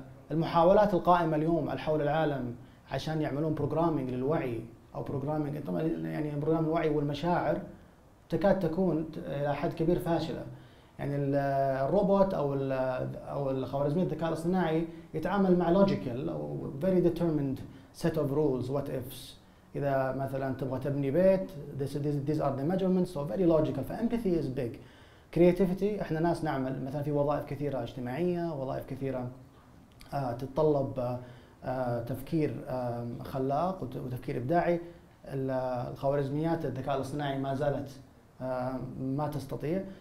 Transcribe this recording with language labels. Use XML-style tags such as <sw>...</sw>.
<ar>المحاولات القائمة اليوم على حول العالم عشان يعملون بروجرامينج للوعي او بروجرامينج، طبعا يعني بروجرام الوعي والمشاعر، تكاد تكون الى حد كبير فاشلة. يعني الروبوت او الخوارزمية الذكاء الاصطناعي يتعامل مع logical أو</ar> <en>very determined set of rules what ifs.</en> <ar>إذا مثلا تبغى تبني بيت</ar> <en>these are the measurements, so very logical. فempathy is big.</en> <ar>creativity، احنا ناس نعمل مثلا في وظائف كثيرة اجتماعية، وظائف كثيرة تتطلب تفكير خلاق وتفكير ابداعي. الخوارزميات الذكاء الاصطناعي ما زالت ما تستطيع.</ar>